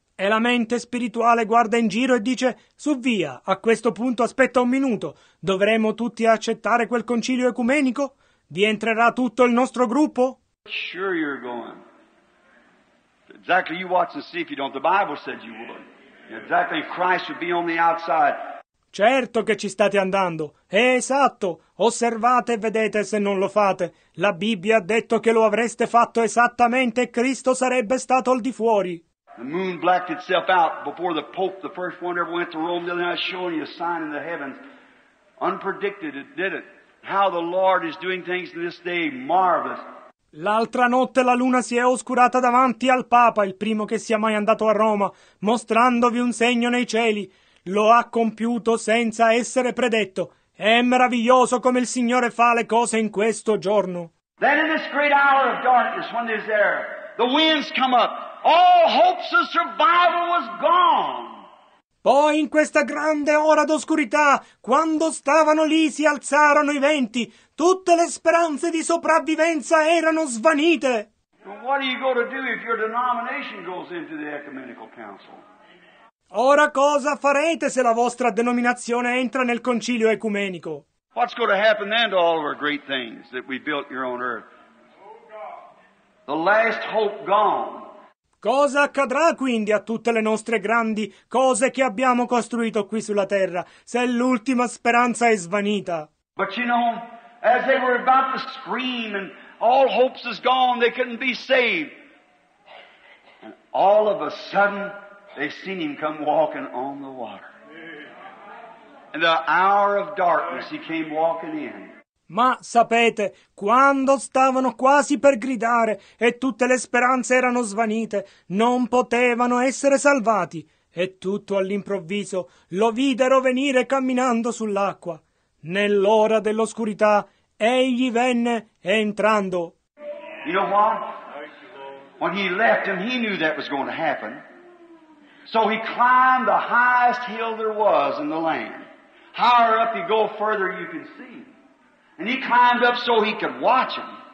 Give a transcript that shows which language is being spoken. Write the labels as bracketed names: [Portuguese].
[Italian] E la mente spirituale guarda in giro e dice: su via, a questo punto aspetta un minuto, dovremo tutti accettare quel concilio ecumenico? Vi entrerà tutto il nostro gruppo? [English] Sure you're going. Exactly, you watch and see if you don't. The Bible said you would. Exactly, Christ would be on the outside. [Italian] Certo che ci state andando. È esatto. Osservate e vedete se non lo fate. La Bibbia ha detto che lo avreste fatto esattamente e Cristo sarebbe stato al di fuori. [English] The moon blacked itself out before the Pope, the first one ever went to Rome, the other night showing you a sign in the heavens. Unpredicted, it did it. How the Lord is doing things to this day, marvelous. [Italian] L'altra notte la luna si è oscurata davanti al Papa, il primo che sia mai andato a Roma, mostrandovi un segno nei cieli. Lo ha compiuto senza essere predetto. È meraviglioso come il Signore fa le cose in questo giorno. [English] Then in this great hour of darkness, when there's there, the winds come up. All hopes of survival was gone. [Italian] Poi in questa grande ora d'oscurità, quando stavano lì, si alzarono i venti. Tutte le speranze di sopravvivenza erano svanite. [English] What are you going to do if your denomination goes into the ecumenical council? [Italian] Ora cosa farete se la vostra denominazione entra nel concilio ecumenico? [English] What's going to happen then to all of our great things that we built here on earth? The last hope gone. [Italian] Cosa accadrà quindi a tutte le nostre grandi cose che abbiamo costruito qui sulla terra se l'ultima speranza è svanita? [English] But you know, as they were about to scream and all hopes is gone, they couldn't be saved. And all of a sudden, they seen him come walking on the water. In the hour of darkness, he came walking in. [Italian] Ma sapete, quando stavano quasi per gridare e tutte le speranze erano svanite, non potevano essere salvati. E tutto all'improvviso lo videro venire camminando sull'acqua. Nell'ora dell'oscurità, egli venne entrando. [English] You know what? When he left him, he knew that was going to happen. So he climbed the highest hill there was in the land. Higher up you go, further you can see. And he climbed up so he could watch him.